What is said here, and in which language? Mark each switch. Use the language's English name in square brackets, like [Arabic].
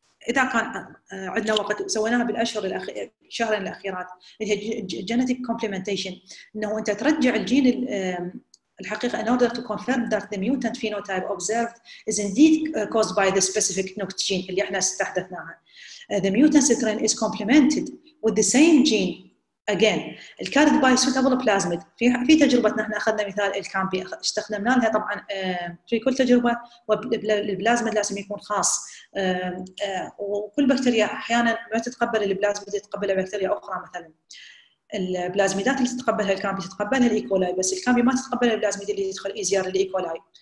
[Arabic] اذا كان عندنا وقت سويناها بالاشهر الاخيره شهرين الاخيرات اللي هي جينيتيك كومبلمنتيشن، انه انت ترجع الجين الحقيقه [English] in order to confirm that the mutant phenotype observed is indeed caused by the specific NOX gene [Arabic] اللي احنا استحدثناها. [English] The mutant strain is complemented with the same gene again carried by suitable plasmid. [Arabic] في تجربتنا احنا اخذنا مثال الكامبي استخدمنا لها طبعا في كل تجربه والبلازميد لازم يكون خاص وكل بكتيريا احيانا ما تتقبل البلازميد تتقبلها بكتيريا اخرى مثلا. البلازميدات اللي تتقبلها الكامبي تتقبلها الايكولاي بس الكامبي ما تتقبل البلازميد اللي يدخل ايزيار الايكولاي.